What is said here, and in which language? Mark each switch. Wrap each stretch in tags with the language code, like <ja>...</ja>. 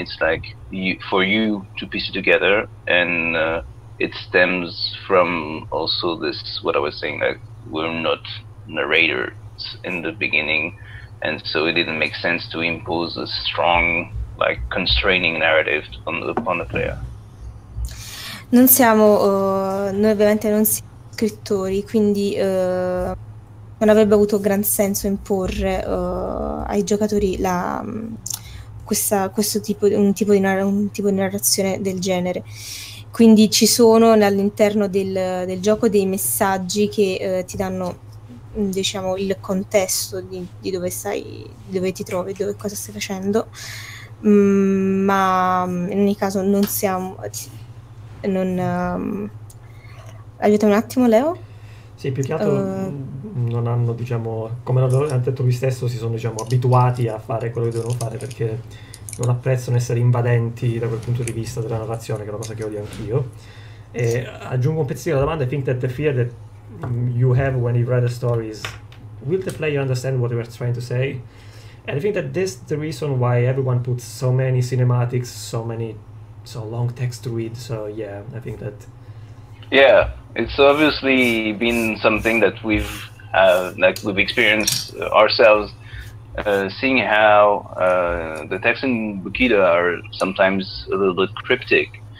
<en>It's like for you to piece it together, and it stems from also this, what I was saying, like, we're not narrators in the beginning, and so it didn't make sense to impose a strong, like, constraining narrative upon the player.</en> <it>Non siamo noi ovviamente non siamo scrittori, quindi non avrebbe avuto gran senso imporre ai giocatori un tipo di narrazione del genere. Quindi ci sono all'interno del gioco dei messaggi che ti danno, diciamo, il contesto di dove stai, dove ti trovi, dove cosa stai facendo, ma in ogni caso non siamo... Non, aiutami un attimo, Leo? Sì, più che altro non hanno, diciamo, come l'hanno detto lui stesso, si sono, diciamo, abituati a fare quello che devono fare, perché... non apprezzano essere invadenti da quel punto di vista della narrazione, che è una cosa che odio anch'io. E aggiungo un pezzettino alla domanda.</it> <en>I think that the fear that you have when you write a story is, will the player understand what you are trying to say? And I think that this is the reason why everyone puts so many cinematics, so long text to read. So yeah, I think that... Yeah, it's obviously been something that we've experienced ourselves, seeing how the texts in Bokida are sometimes a little bit cryptic.</en>